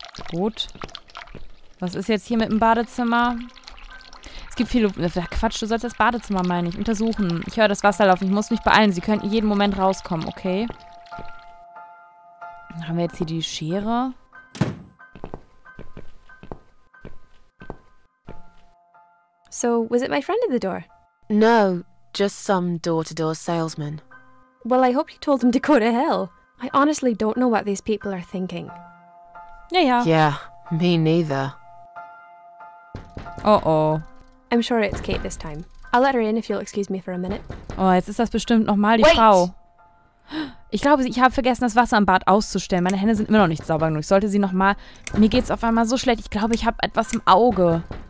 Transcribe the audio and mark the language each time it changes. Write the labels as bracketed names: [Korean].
[German] Gut. Was ist jetzt hier mit dem Badezimmer? Es gibt viele... Quatsch, du sollst das Badezimmer, meine ich. Untersuchen. Ich höre das Wasser laufen. Ich muss mich beeilen. Sie könnten jeden Moment rauskommen, okay? Dann haben wir jetzt hier die Schere. [English] So, was it my friend at the door? No, just some door-to-door salesman. Well, I hope you told him to go to hell. I honestly don't know what these people are thinking. [German] Ja, ja. [English] Yeah, me neither. Oh-oh. I'm sure it's Kate this time. I'll let her in if you'll excuse me for a minute. [German] Oh, jetzt ist das bestimmt nochmal die [English] Wait. [German] Frau. Ich glaube, ich habe vergessen, das Wasser im Bad auszustellen. Meine Hände sind immer noch nicht sauber genug. Ich sollte sie nochmal... Mir geht's auf einmal so schlecht. Ich glaube, ich habe etwas im Auge.